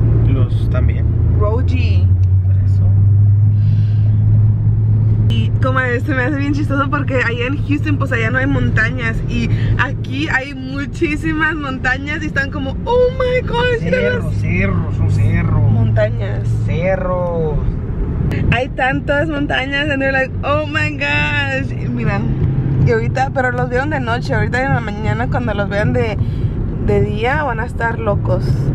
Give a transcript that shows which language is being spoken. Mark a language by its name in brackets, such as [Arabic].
[Spanish] Los también. Roji. Como se me hace bien chistoso porque allá en Houston pues allá no hay montañas y aquí hay muchísimas montañas y están como [English] oh my god, [Spanish] cerros, cerros, montañas, cerros, hay tantas montañas [English] and they're like oh my gosh. [Spanish] Y mira, y ahorita, pero los vieron de noche, ahorita en la mañana cuando los vean de día van a estar locos.